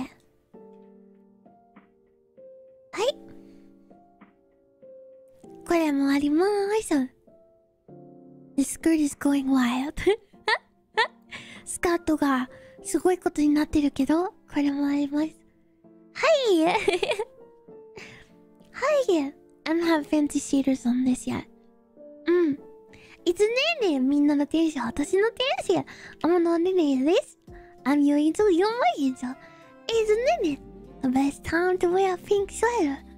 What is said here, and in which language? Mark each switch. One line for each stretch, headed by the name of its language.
Japanese: はい。これもありまーす。
English: The skirt is going wild.
Japanese: スカートがすごいことになってるけど、これもあります。はい。はい。
English: I don't have fancy shaders on this yet.
Japanese: うん。いつねえねえ、みんなの天使、私の天使。
English: I'm not in this. I'm your angel, you're my angel.
Japanese: いつねえねえ。
English: The best time to wear a pink sweater.